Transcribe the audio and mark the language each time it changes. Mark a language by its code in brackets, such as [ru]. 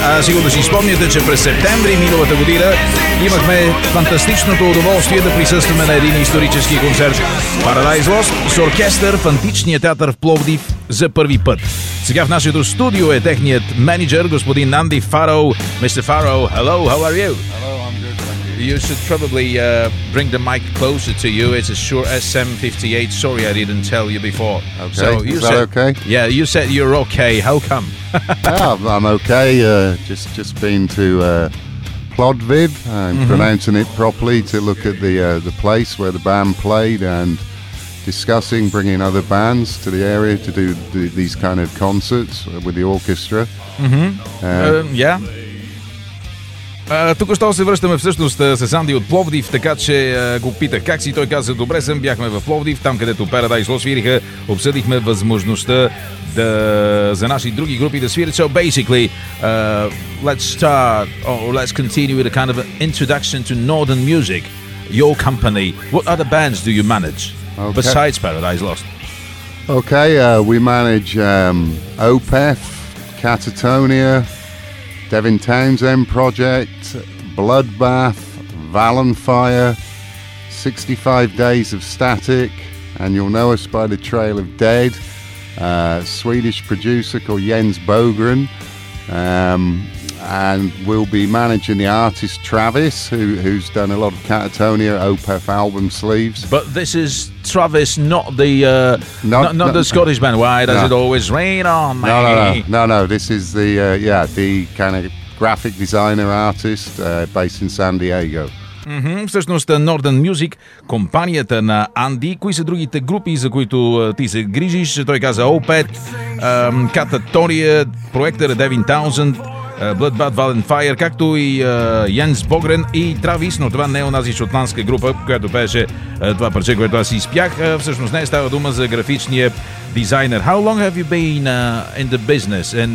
[bg] А сигурно си спомняте, че през септември миналата година имахме фантастичното удоволствие да присъстваме на един исторически концерт. Paradise Lost с оркестър в Античния театър в Пловдив за първи път. Сега в нашето студио е техният менеджер, господин Нанди Фарол. [en] Мистер Фарол, hello, how are you? You should probably bring the mic closer to you. It's a Shure SM58. Sorry, I didn't tell you before. Okay, so is that okay? Yeah, you said you're okay. How come? Yeah, I'm okay. Just been to Plovdiv. Pronouncing it properly to look at the place where the band played and discussing bringing other bands to the area to do these kind of concerts with the orchestra. Yeah. [bg] Току-що се връщаме всъщност с Анди от Пловдив, така че го питах как си. Той каза, добре съм, бяхме в Пловдив, там където Paradise Lost свириха, обсъдихме възможността да, за наши други групи да свирят. [en] So basically, let's continue with a kind of an introduction to Northern Music, your company. What other bands do you manage, okay, besides Paradise Lost? Okay, we manage OPEF, Catatonia, Devin Townsend Project, Bloodbath, Valenfire, 65 Days of Static, and you'll know us by the Trail of Dead, Swedish producer called Jens Bogren, and we'll be managing the artist Travis, who's done a lot of Catatonia OPEF album sleeves. But this is Travis, not the not the Scottish band. Why does it always rain on me? No. This is the kind of graphic designer artist based in San Diego. [bg] Всъщност Northern Music, компанията на Анди. Кои са другите групи, за които ти се грижиш? Той каза OPEF, Catatonia, проектора Devin Townsend, Bloodbath, Valenfire, както и Jens Bogren и Travis, но това не е онази шотландска група, която пееше това парче, което аз изпях. Всъщност не е, става дума за графичния дизайнер. [en] How long have you been in the business?